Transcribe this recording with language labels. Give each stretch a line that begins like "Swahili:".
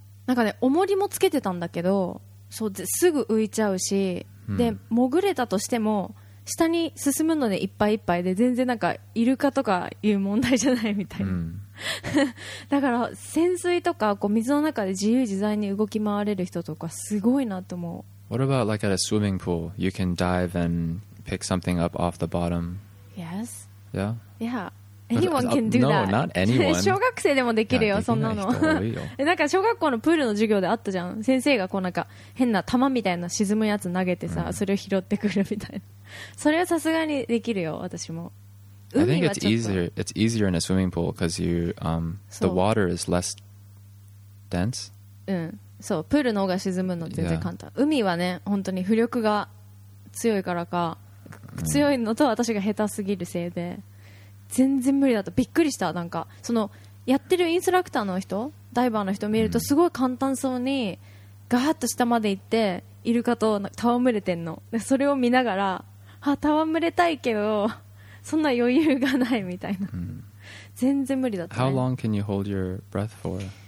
Japanese: なんかね、重りもつけてたんだけど、そうすぐ浮いちゃうし、で潜れたとしても下に進むのでいっぱいいっぱいで、全然なんかイルカとかいう問題じゃないみたいな、うん、だから潜水とかこう水の中で自由自在に動き回れる人とかすごいなと思う。
English: What about like at a swimming pool? You can dive and pick something up off the bottom? Yes. Yeah? Yeah. Anyone can do that. No, not anyone.
Japanese: 小学生でもできるよ、そんなの。なんか小学校のプールの授業であったじゃん。先生がこうなんか変な玉みたいな沈むやつ投げてさ、それを拾ってくるみたいな。それはさすがにできるよ、私も。海はちょっと。
English: I think it's easier in a swimming pool because you, the water is less dense.
Japanese: うん。そう、プールの方が沈むの全然簡単。海はね、本当に浮力が強いからか、強いのと私が下手すぎるせいで。全然無理だった。びっくりした。なんかそのやってるインストラクターの人、ダイバーの人見るとすごい簡単そうにガーッと下まで行ってイルカと戯れてんの。でそれを見ながら、あ、戯れたいけどそんな余裕がないみたいな、全然無理だった、ね、
English: How long can you hold your breath for?